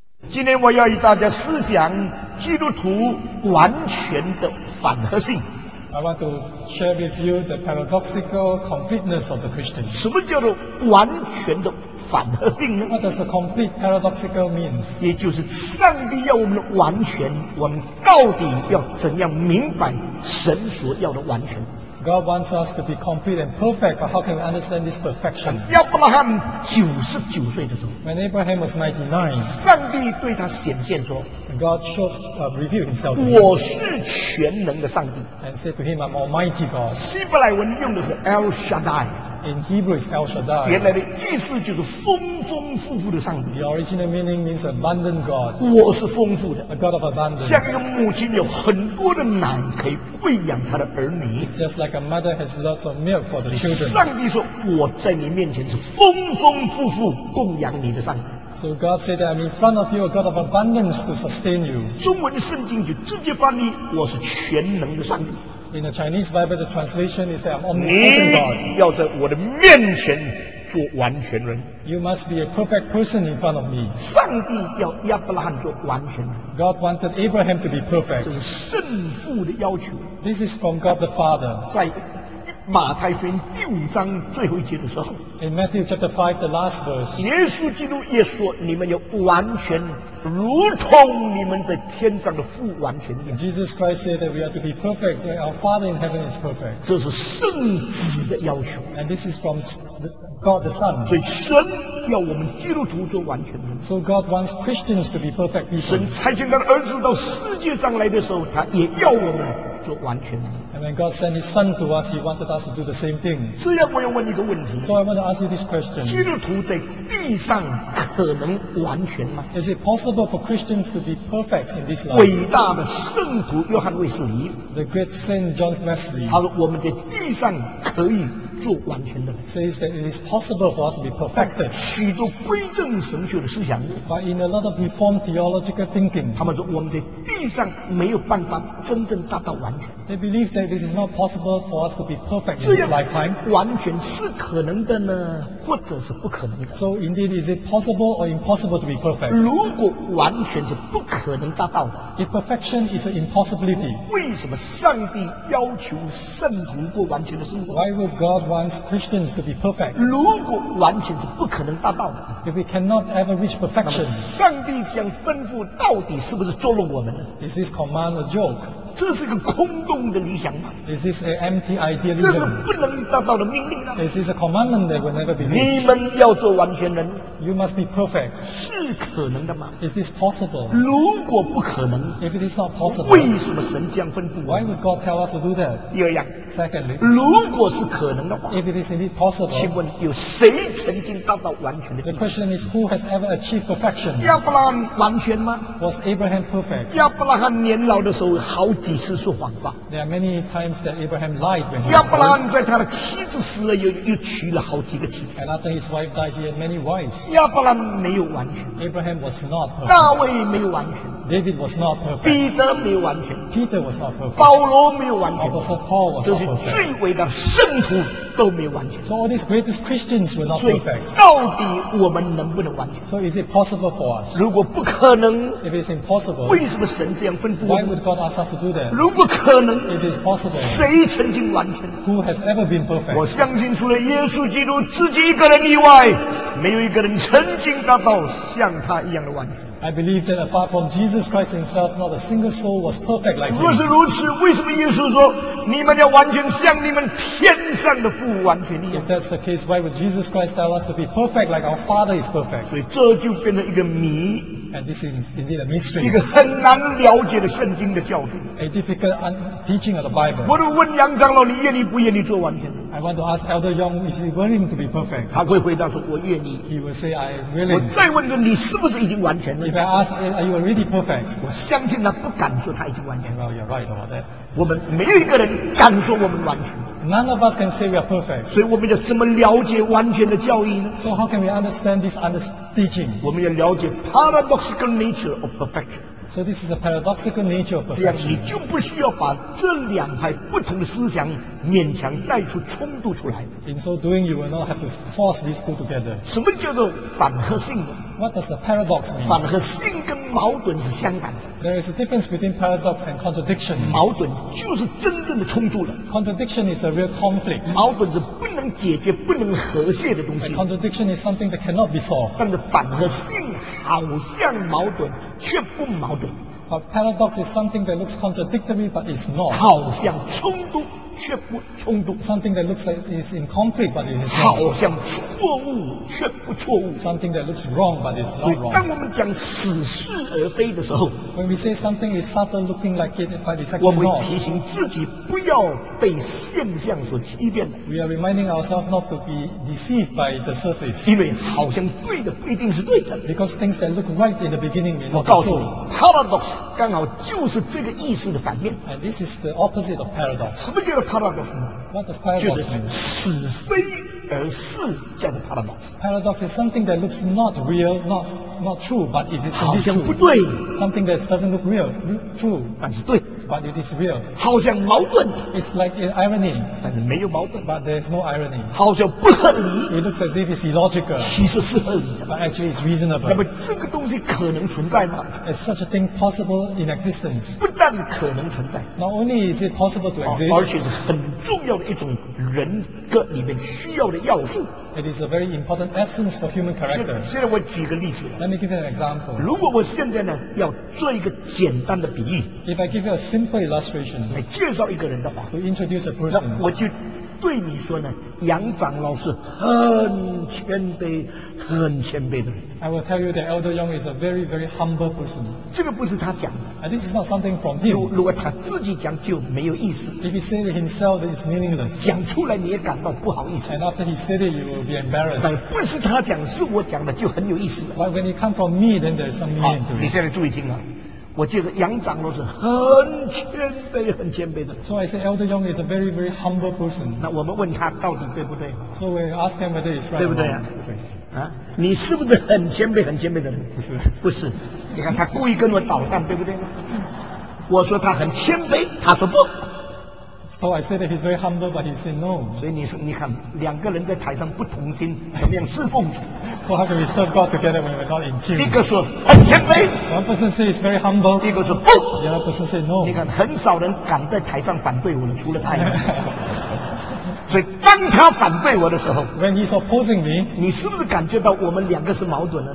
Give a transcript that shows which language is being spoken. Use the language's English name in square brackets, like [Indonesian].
[Chinese] 今天我要与大家思想基督徒完全的反合性。 [English] I want to share with you the paradoxical completeness of the Christian. [Chinese] 什么叫做完全的反合性呢？ [English] What does the complete paradoxical mean? [Chinese] 也就是上帝要我们的完全，我们到底要怎样明白神所要的完全？ [English] God wants us to be complete and perfect, but how can we understand this perfection? [Chinese] 亚伯拉罕99岁的时候， [English] When Abraham was 99, [Chinese] 上帝对他显现说， [English] God showed, revealed himself to him. [Chinese] 我是全能的上帝。 [English] And said to him, I'm Almighty God. [Chinese] 希伯来文用的是 El Shaddai。 [English] In Hebrew, it's El Shaddai. [Chinese] 原来的意思就是丰丰富富的上帝。 [English] The original meaning means abundant God. [Chinese] 我是丰富的。 [English] A God of abundance. [Chinese] 像一个母亲有很多的奶可以喂养她的儿女。 [English] It's just like a mother has lots of milk for the children. [Chinese] 上帝说，我在你面前是丰丰富富供养你的上帝。 [English] So God said that I'm in front of you, a God of abundance to sustain you. [Chinese] 中文圣经就直接翻译，我是全能的上帝。 [English] In the Chinese Bible, the translation is that I'm omnipotent God. [Chinese] 你要在我的面前做完全人。 [English] You must be a perfect person in front of me. [Chinese] 上帝要亚伯拉罕做完全人。 [English] God wanted Abraham to be perfect. [Chinese] 这是圣父的要求。 [English] This is from God the Father. [Chinese] 在马太福音第五章最后一节的时候。 [English] In Matthew chapter 5, the last verse. [Chinese] 耶稣基督也说，你们要完全如同你们在天上的父完全一样。 [English] Jesus Christ said that we are to be perfect, so our Father in heaven is perfect. [Chinese] 这是圣子的要求。 [English] And this is from God the Son. [Chinese] 所以神要我们基督徒做完全人。 [English] So God wants Christians to be perfect. [Chinese] 神差遣他的儿子到世界上来的时候，他也要我们做完全人。 [English] And when God sent His Son to us, He wanted us to do the same thing. [Chinese] 这样我要问你一个问题。 [English] So I want to ask you this question. [Chinese] 基督徒在地上可能完全吗？ [English] Is it possible for Christians to be perfect in this life? [Chinese] 伟大的圣徒约翰卫斯理。 [English] The great Saint John Wesley. [Chinese] 他说我们在地上可以做完全的。 [English] Says that it is possible for us to be perfected. [Chinese] 许多归正神学的思想。 [English] But in a lot of reformed theological thinking. [Chinese] 他们说我们在地上没有办法真正达到完全。 [English] They believe that it is not possible for us to be perfect in this lifetime. [Chinese] 完全是可能的呢，或者是不可能的。 [English] So indeed, is it possible or impossible to be perfect? [Chinese] 如果完全是不可能达到的， [English] if perfection is an impossibility, [Chinese] 为什么上帝要求圣徒过完全的生活？ [English] Why would God want Christians to be perfect? [Chinese] 如果完全是不可能达到的， [English] if we cannot ever reach perfection, [Chinese] 那么上帝这样吩咐到底是不是捉弄我们呢？ [English] Is this command a joke? [Chinese] 这是个空洞的理想吗？ [English] Is this an empty idea? [Chinese] 这是不能达到的命令吗？ [English] Is this a commandment that will never be reached? [Chinese] 你们要做完全人， [English] You must be perfect. [Chinese] 是可能的吗？ [English] Is this possible? [Chinese] 如果不可能， [English] If it is not possible, [Chinese] 为什么神这样吩咐？ [English] Why would God tell us to do that? [Chinese] 第二样， [English] Secondly, [Chinese] 如果是可能的话， [English] If it is indeed possible, [Chinese] 请问有谁曾经达到完全的？ [English] The question is, who has ever achieved perfection? [Chinese] 亚伯拉罕完全吗？ [English] Was Abraham perfect? [Chinese] 亚伯拉罕年老的时候好几几次说谎话。 [English] There are many times that Abraham lied when he was old. [Chinese] 亚伯拉罕在他的妻子死了又娶了好几个妻子。 [English] And after his wife died, he had many wives. [Chinese] 亚伯拉罕没有完全。 [English] Abraham was not perfect. [Chinese] 大卫没有完全。 [English] David was not perfect. [Chinese] 彼得没有完全。 [English] Peter was not perfect. [Chinese] 保罗没有完全。 [English] Apostle Paul was not perfect. [Chinese] 这是最伟大的圣徒都没有完全。 [English] So all these greatest Christians were not perfect. [Chinese] 到底我们能不能完全？ [English] So is it possible for us? [Chinese] 如果不可能， [English] If it's impossible, [Chinese] 为什么神这样吩咐？ [English] Why would God ask us to do that? [Chinese] 如果可能， [English] It is possible, [Chinese] 谁曾经完全？ [English] Who has ever been perfect? [Chinese] 我相信除了耶稣基督自己一个人以外，没有一个人曾经达到像他一样的完全。 [English] I believe that apart from Jesus Christ himself, not a single soul was perfect like him. [Chinese] 若是如此，为什么耶稣说你们要完全像你们天上的父完全一样？ [English] If that's the case, why would Jesus Christ tell us to be perfect like our Father is perfect? [Chinese] 所以这就变成一个谜。 [English] And this is indeed a mystery. [Chinese] 一个很难了解的圣经的教训。 [English] A difficult teaching of the Bible. [Chinese] 我就问杨长老，你愿意不愿意做完全？ [English] I want to ask Elder Young, is he willing to be perfect? [Chinese] 他会回答说，我愿意。 [English] He will say, I am willing. [Chinese] 我再问他，你是不是已经完全了？ [English] If I ask, are you already perfect? [Chinese] 我相信他不敢说他已经完全 [English] 了。Well, you're right about that. [Chinese] 我们没有一个人敢说我们完全。 [English] None of us can say we are perfect. [Chinese] 所以我们要怎么了解完全的教义呢？ [English] So how can we understand this teaching? [Chinese] 我们要了解 [English] paradoxical nature of perfection. So this is a paradoxical nature of perfection. [Chinese] 这样你就不需要把这两派不同的思想勉强带出冲突出来。 [English] In so doing, you will not have to force these two together. [Chinese] 什么叫做反和性呢？ [English] What does the paradox mean? [Chinese] 反和性跟矛盾是相反的。 [English] There is a difference between paradox and contradiction. [Chinese] 矛盾就是真正的冲突了。 [English] Contradiction is a real conflict. [Chinese] 矛盾是不能解决、不能和谐的东西。 [English] And contradiction is something that cannot be solved. [Chinese] 但是反和性好像矛盾，却不矛盾。 [English] But paradox is something that looks contradictory, but it's not. [Chinese] 好像冲突却不冲突。 [English] Something that looks like is in conflict, but it is not. [Chinese] 好像错误却不错误。 [English] Something that looks wrong, but it's not wrong. [Chinese] 当我们讲似是而非的时候 [English] ，When we say something is subtle looking like it, but it's actually not. [Chinese] 我们提醒自己不要被现象所欺骗。 [English] We are reminding ourselves not to be deceived by the surface. [Chinese] 因为好像对的不一定是对的。 [English] Because things that look right in the beginning may not be true. [Chinese] 我告诉你 ，paradox 刚好就是这个意思的反面。 [English] And this is the opposite of paradox. [Chinese] 什么叫paradox [English] 呢？What does paradox mean? [Chinese] 是非而是叫做 paradox. [English] Paradox is something that looks not real, not true, but it is indeed true. [Chinese] 好像不对。 [English] Something that doesn't look real, true, [Chinese] 但是对。 [English] But it is real. [Chinese] 好像矛盾。 [English] It's like irony. [Chinese] 但是没有矛盾。 [English] But there is no irony. [Chinese] 好像不合理。 [English] It looks as if it's illogical. [Chinese] 其实是合理的。 [English] But actually it's reasonable. [Chinese] 那么这个东西可能存在吗？ [English] Is such a thing possible in existence? [Chinese] 不但可能存在。 [English] Not only is it possible to exist. [Chinese] 而且是很重要的一种人格里面需要的要素。 [English] It is a very important essence for human character. [Chinese] 现在我举个例子。 [English] Let me give you an example. [Chinese] 如果我现在呢，要做一个简单的比喻。 [English] If I give you a simple illustration. [Chinese] 来介绍一个人的话。 [English] To introduce a person. [Chinese] 那我就对你说呢，杨长老是很谦卑、很谦卑的人。 [English] I will tell you that Elder Yong is a very, very humble person. [Chinese] 这个不是他讲的。 [English] And this is not something from him. [Chinese] 如果他自己讲就没有意思。 [English] If he said it himself, it's meaningless. [Chinese] 讲出来你也感到不好意思。 [English] And after he said it, you will be embarrassed. [Chinese] 但不是他讲，是我讲的就很有意思。 [English] But when it comes from me, then there's some meaning to it. [Chinese] 你现在注意听啊。我觉得杨长老是很谦卑、很谦卑的。 [English] So I say Elder Yong is a very, very humble person. [Chinese] 那我们问他到底对不对 [English] ？So we ask him whether it's right. [Chinese] 对不对啊？对。你是不是很谦卑、很谦卑的人？不是，不是。你看他故意跟我捣蛋，对不对？我说他很谦卑，他说不。 [English] So I said that he's very humble, but he said no. [Chinese] 所以你说，你看两个人在台上不同心，怎么样侍奉主 [English] ？So how can we serve God together when we're not in tune? [Chinese] 一个说很谦卑 [English] ，One person says very humble. [Chinese] 一个说不 [English] ，The other person says no. [Chinese] 你看很少人敢在台上反对我，除了他。所以当他反对我的时候 [English] ，When he's opposing me， [Chinese] 你是不是感觉到我们两个是矛盾的